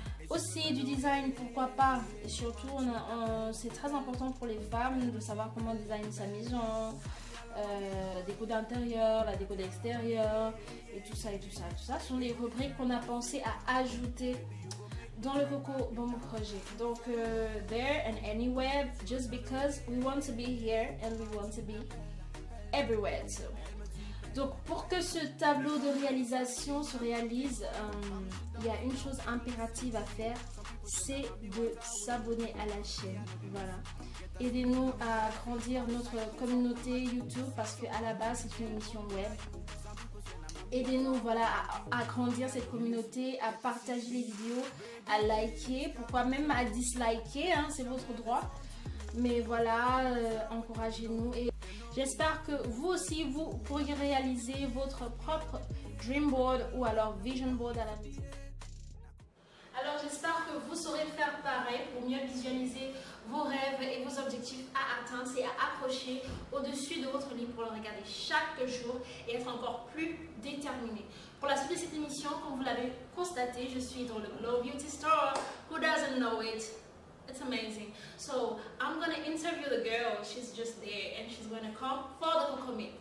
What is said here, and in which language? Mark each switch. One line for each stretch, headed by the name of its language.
French: aussi du design, pourquoi pas. Et surtout, c'est très important pour les femmes de savoir comment designer sa maison, la déco d'intérieur, la déco d'extérieur, et tout ça, et tout ça, et tout ça. Ce sont les rubriques qu'on a pensé à ajouter dans le Coco Bambou Project.
English: Donc, there and anywhere, just because we want to be here and we want to be everywhere. So.
French: Donc, pour que ce tableau de réalisation se réalise, il y a une chose impérative à faire, c'est de s'abonner à la chaîne. Voilà. Aidez-nous à grandir notre communauté YouTube, parce qu'à la base, c'est une émission web. Aidez-nous, voilà, à grandir cette communauté, à partager les vidéos, à liker, pourquoi même à disliker, hein, c'est votre droit. Mais voilà, encouragez-nous. Et j'espère que vous aussi, vous pourriez réaliser votre propre dream board ou alors vision board à la maison. Alors, j'espère que vous saurez faire pareil pour mieux visualiser vos rêves et vos objectifs à atteindre et à approcher au-dessus de votre lit pour le regarder chaque jour et être encore plus déterminé. Pour la suite de cette émission, comme vous l'avez constaté, je suis dans le Glow Beauty Store.
English: Who doesn't know it? It's amazing. So, I'm gonna interview the girl. She's just there and she's gonna come for the Coco Meet.